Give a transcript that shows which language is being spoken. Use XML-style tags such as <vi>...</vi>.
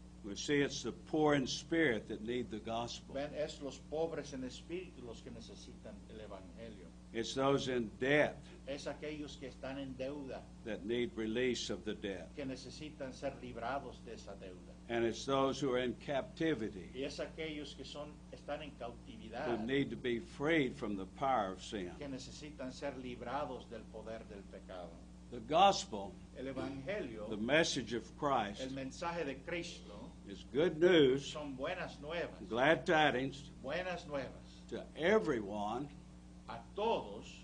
<en>We see it's the poor in spirit that need the gospel.</en> <es>Ven, es los pobres en espíritu los que necesitan el evangelio.</es> <en>It's those in debt.</en> <es>Es aquellos que están en deuda.</es> <en>That need release of the debt.</en> <es>Que necesitan ser librados de esa deuda.</es> <en>And it's those who are in captivity.</en> <es>Y es aquellos que son, están en cautividad.</es> <en>Who need to be freed from the power of sin.</en> <es>Que necesitan ser librados del poder del pecado.</es> <en>The gospel.</en> <es>El evangelio.</es> <en>The message of Christ.</en> <es>El mensaje de Cristo.</es> <en>Is good news.</en> <es>Son buenas nuevas.</es> <en>Glad tidings.</en> <es>Buenas nuevas.</es> <en>To everyone.</en> <es>A todos.</es>